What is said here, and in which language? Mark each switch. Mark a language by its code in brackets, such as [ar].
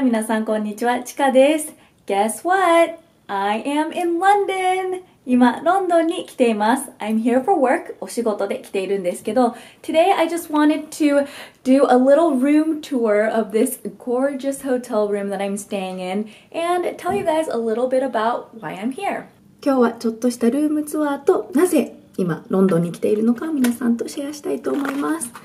[ja] 皆さんこんにちは、チカです。 [en] Guess what? I am in London. [ja] 今ロンドンに来ています。 [en] I'm here for work. [ja] お仕事で来ているんですけど、 [en] Today I just wanted to do a little room tour of this gorgeous hotel room that I'm staying in and tell you guys a little bit about why I'm here. [ja] 今日はちょっとしたルームツアーと、なぜ今ロンドンに来ているのか皆さんとシェアしたいと思います。